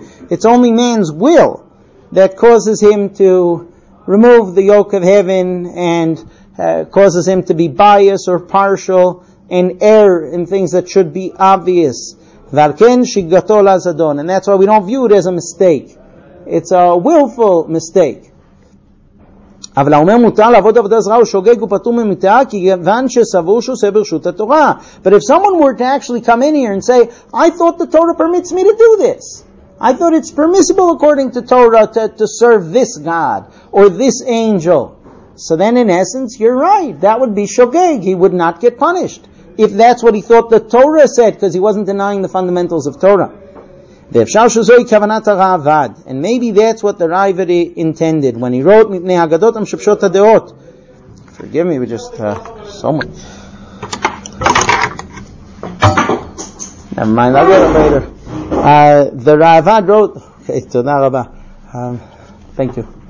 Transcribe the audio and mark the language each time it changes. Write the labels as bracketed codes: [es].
[en] It's only man's will that causes him to remove the yoke of heaven and causes him to be biased or partial and err in things that should be obvious. And that's why we don't view it as a mistake. It's a willful mistake. [he] אבל אומר מותר לעבוד עבודה זרה ושוגג ופטור ממיתה כיוון שסבור שהוא עושה ברשות התורה. [en] But if someone were to actually come in here and say, I thought the Torah permits me to do this. I thought it's permissible according to Torah to serve this God or this angel. So then in essence, you're right. That would be shogeg. He would not get punished. If that's what he thought the Torah said, because he wasn't denying the fundamentals of Torah. [he] ואפשר שזוהי כוונת הרעבד. [en] And maybe that's what the rivalry intended when he wrote [he] מפני הגדות המשפשות הדעות. [en] Forgive me, we just so much. Never mind, I'll get it later. The Ravad wrote, okay, [he] תודה רבה. [en] Thank you.